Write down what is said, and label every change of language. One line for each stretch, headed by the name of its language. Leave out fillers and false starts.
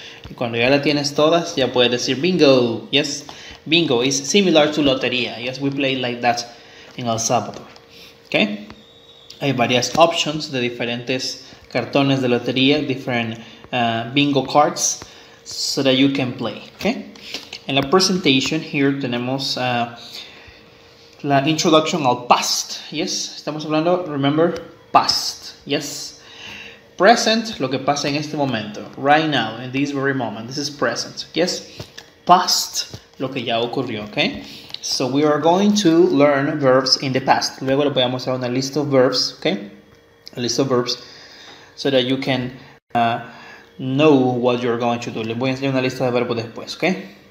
Spanish: Y cuando ya la tienes todas, ya puedes decir bingo.
English: Yes, bingo is similar to lotería. Yes, we play like that in El Salvador. Okay?
Spanish: Hay varias options de diferentes cartones de lotería,
English: different bingo cards, so that you can play. Okay?
Spanish: En la presentation, here tenemos la introduction al past.
English: Yes,
Spanish: estamos hablando,
English: remember, past, yes. Present,
Spanish: lo que pasa en este momento.
English: Right now, in this very moment. This is present, yes. Past,
Spanish: lo que ya ocurrió,
English: okay. So we are going to learn verbs in the past.
Spanish: Luego le voy a mostrar una
English: list of verbs, okay. A list of verbs, so that you can know what you're going to do.
Spanish: Le voy a enseñar una lista de verbos después, okay.